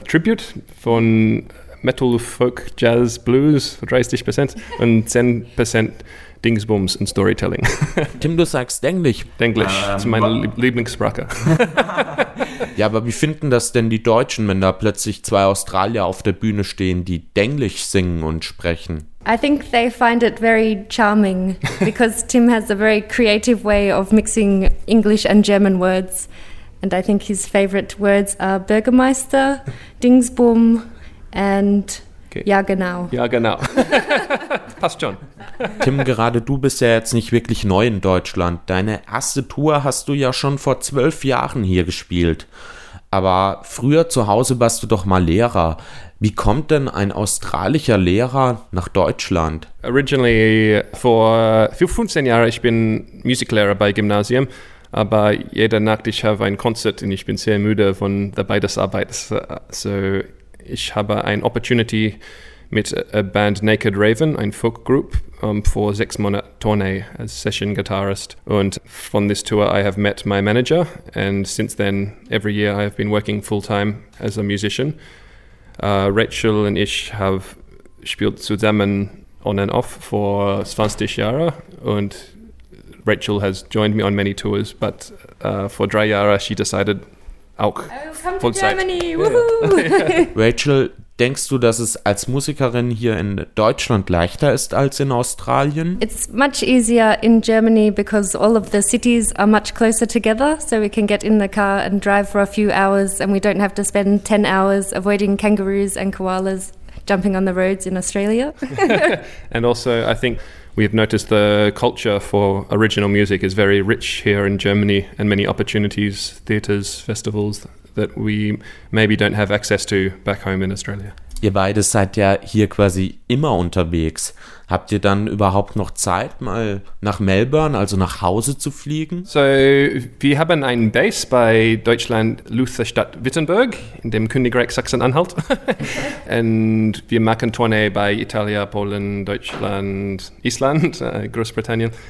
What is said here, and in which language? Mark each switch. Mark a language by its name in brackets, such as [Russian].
[German] Tribute von Metal, Folk, Jazz, Blues, 30%. Und 10% Dingsbums und Storytelling. Tim, du sagst Englisch. Englisch, das ist meine Lieblingssprache. Ja, aber wie finden das denn die Deutschen, wenn da plötzlich 2 Australier auf der Bühne stehen, die Englisch singen und sprechen? [English] I think they find it very charming, because Tim has a very creative way of mixing English and German words. And I think his favorite words are Bürgermeister, Dingsbum and okay. [German] Ja, genau. Ja, genau. Passt schon. Tim, gerade du bist ja jetzt nicht wirklich neu in Deutschland. Deine erste Tour hast du ja schon vor 12 Jahren hier gespielt. Aber früher zu Hause warst du doch mal Lehrer. Wie kommt denn ein australischer Lehrer nach Deutschland? Originally, vor 15 Jahren, ich bin Musiklehrer bei Gymnasium. Aber jede Nacht, ich habe ein Konzert und ich bin sehr müde von der Beidesarbeit. So, ich habe eine Opportunity mit der Band Naked Raven, ein Folk-Group, vor 6 Monaten Tournee als Session-Gitarrist. Und von [English] this tour I have met my manager and since then every year I have been working full-time as a musician. Rachel [German] und ich [English] have [German] spielt zusammen [English] on and off [German] vor 20 Jahre und [English] Rachel has joined me on many tours, but [German] vor 3 Jahren [English] she decided [German] auch Vollzeit. [English] Come to Germany, woohoo! [German] Rachel, denkst du, dass es als Musikerin hier in Deutschland leichter ist als in Australien? [English] It's much easier in Germany because all of the cities are much closer together, so we can get in the car and drive for a few hours and we don't have to spend 10 hours avoiding kangaroos and koalas jumping on the roads in Australia. And also, I think we have noticed the culture for original music is very rich here in Germany and many opportunities, theatres, festivals that we maybe don't have access to back home in Australia. [German] Ihr beide seid ja hier quasi immer unterwegs. Habt ihr dann überhaupt noch Zeit, mal nach Melbourne, also nach Hause zu fliegen? So, wir haben einen Base bei Deutschland Lutherstadt Wittenberg, in dem Königreich Sachsen-Anhalt. Und wir machen Tournee bei Italien, Polen, Deutschland, Island, Großbritannien.